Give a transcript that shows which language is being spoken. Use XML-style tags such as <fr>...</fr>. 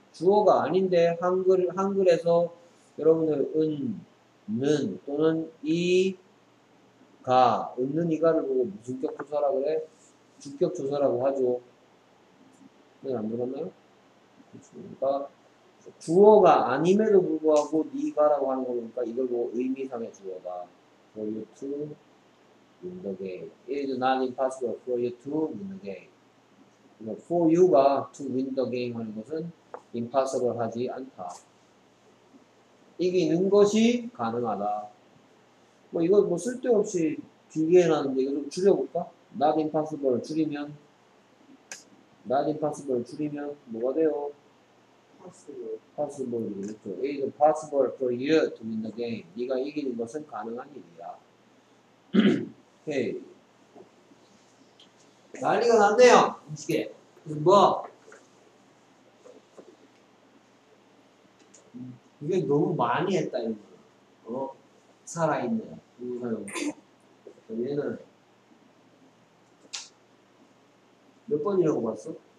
<ko>주어가 아닌데, 한글에서 여러분들, 는 또는 이가, 는 이가를 보고 무슨 격 조사라 그래? 주격 조사라고 하죠. 네, 안 들었나요? 그러니까 주어가 아님에도 불구하고 네가 라고 하는 거니까 이걸 보고 의미상의 주어가.</ko> <en>For you to. In the game. It is not impossible for you to win the game. For you가 to win the game</en> <ko>하는 것은</ko> <en>impossible</en> <ko>하지 않다. 이기는 것이 가능하다. 뭐 이거 뭐 쓸데없이 길게 놨는데 이거 좀 줄여볼까?</ko> <en>Not impossible</en> <ko>줄이면 Not impossible 줄이면 뭐가 돼요?</ko> <en>Possible. It is possible for you to win the game.</en> <ko>네가 이기는 것은 가능한 일이야. 오케이. 난리가 났네요, 음식에. 뭐? 이게 너무 많이 했다, 이거. 어? 살아있네. 얘는 몇 번이라고 봤어?</ko>